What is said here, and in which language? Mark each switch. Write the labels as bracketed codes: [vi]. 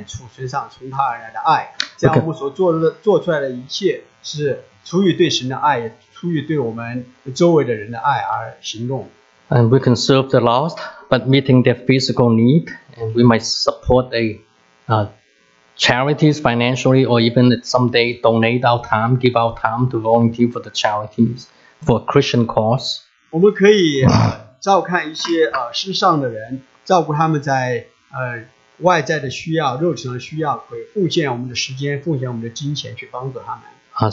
[zh] 而我们要求神在我们的心里面储存上从他而来的爱, 这样我们所做的做出来的一切是出于对神的爱, 出于对我们周围的人的爱而行动。 [en] And we can serve the lost, but meeting their physical need, and we might support a charities financially, or even someday donate our time, give our time to volunteer for the charities for a Christian cause. [zh] 我们可以, 照看一些, 世上的人, 照顾他们在, 外在的需要, 肉体的需要, 可以奉献我们的时间, 奉献我们的金钱去帮助他们。